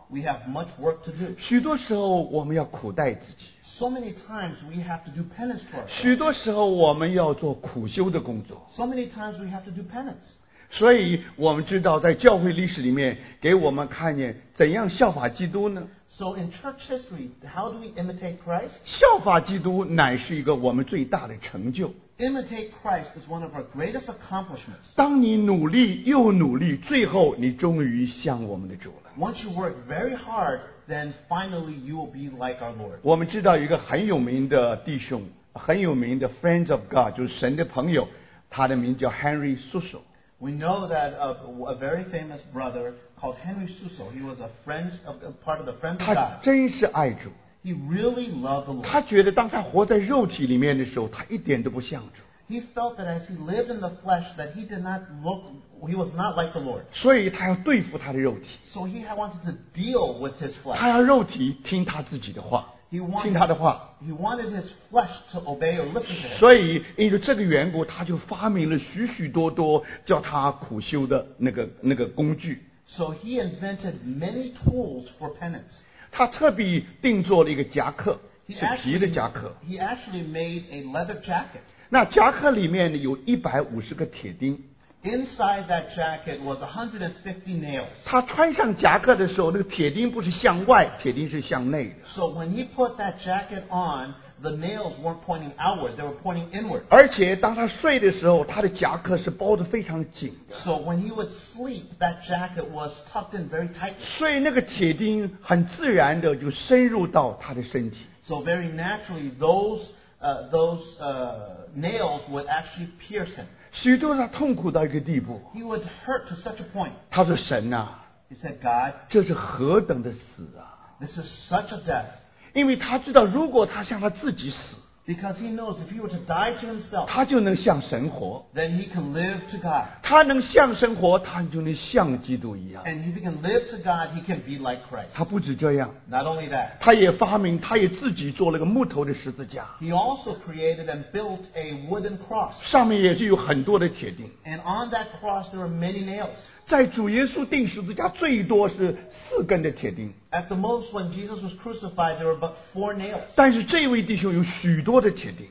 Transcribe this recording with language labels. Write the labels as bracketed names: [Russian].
[English] We have much work to do. [Chinese] 许多时候我们要苦待自己。 [English] So many times we have to do penance for ourselves. [Chinese] 许多时候我们要做苦修的工作。 [English] So many times we have to do penance. [Chinese] 所以我们知道在教会历史里面给我们看见怎样效法基督呢? [English] So in church history, how do we imitate Christ? [Chinese] 效法基督乃是一个我们最大的成就。 [English] Imitate Christ is one of our greatest accomplishments. [Chinese] 当你努力又努力, 最后你终于像我们的主了。 [English] Once you work very hard, then finally you will be like our Lord. [Chinese] 我们知道一个很有名的弟兄, 很有名的 [English] friends of God, [Chinese] 就是神的朋友, 他的名叫Henry Suso。 [English] We know that a very famous brother called Henry Suso, he was a friend of, part of the Friends of God. [Chinese] 他真是爱主。 [English] He really loved the Lord. [Chinese] 他觉得当他活在肉体里面的时候, 他一点都不像主。 [English] He felt that as he lived in the flesh, that he did not look, he was not like the Lord. [Chinese] 所以他要对付他的肉体。 [English] So he wanted to deal with his flesh. [Chinese] 他要肉体听他自己的话。 [English] He wanted his flesh to obey or listen to him. [Chinese] 所以因着这个缘故, 他就发明了许许多多叫他苦修的那个工具。 [English] So he invented many tools for penance. [Chinese] 他特别定做了一个夹克, 是皮的夹克。 [English] He actually made a leather jacket. [Chinese] 那夹克里面有150个铁钉。 [English] Inside that jacket was 150 nails. [Chinese] 他穿上夹克的时候, 那个铁钉不是向外, 铁钉是向内的。 [English] So when he put that jacket on, the nails weren't pointing outward, they were pointing inward. [Chinese] 而且当他睡的时候, 他的夹克是包得非常紧的。 [English] So when he would sleep, that jacket was tucked in very tightly. [Chinese] 所以那个铁钉很自然地就深入到他的身体。 [English] So very naturally, those nails would actually pierce him. [Chinese] 许多他痛苦到一个地步。 [English] He would hurt to such a point. [Chinese] 他说神啊, [English] He said, God, [Chinese] 这是何等的死啊。 [English] This is such a death. [Chinese] 因为他知道如果他向他自己死, [English] Because he knows if he were to die to himself, [Chinese] 他就能像神活。 [English] Then he can live to God. [Chinese] 他能像神活, 他就能像基督一样。 [English] And if he can live to God, he can be like Christ. [Chinese] 他不止这样。 [English] Not only that. [Chinese] 他也发明, 他也自己做了个木头的十字架。 [English] He also created and built a wooden cross. [Chinese] 上面也是有很多的铁钉。 [English] And on that cross, there are many nails. [Chinese] 在主耶稣钉十字架, 最多是四根的铁钉。 [English] At the most, when Jesus was crucified, there were but four nails. [Chinese] 但是这位弟兄有许多的铁钉。